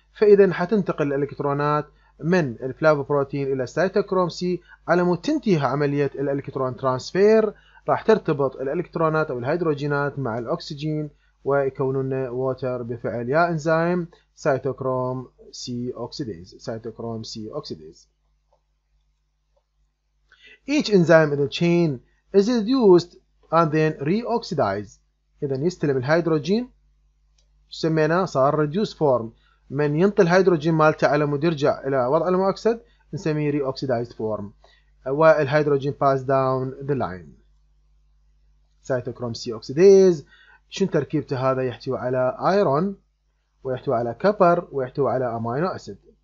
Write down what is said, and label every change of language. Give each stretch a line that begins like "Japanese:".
Arabic: فاذا حتنتقل الالكترونات من الفلافا بروتين الى السيتوكروم سي، على مود تنتهي عمليه الالكترون ترانسفير راح ترتبط الالكترونات او الهيدروجينات مع الاكسجين ويكونون ووتر بفعل يا انزيم سيتوكروم سي اوكسيديز، سيتوكروم سي اوكسيديز.
English: Each enzyme in the chain is reduced and then reoxidized.
Arabic: إذا يستلم الهيدروجين سميناه صار
English: reduced form،
Arabic: من ينطي الهيدروجين مالته على مود يرجع إلى وضع المؤكسد نسميه
English: reoxidized form،
Arabic: والهيدروجين
English: pass down the line.
Arabic: cytochrome C oxidase شن تركيبته؟ هذا يحتوي على iron ويحتوي على copper ويحتوي على amino acid.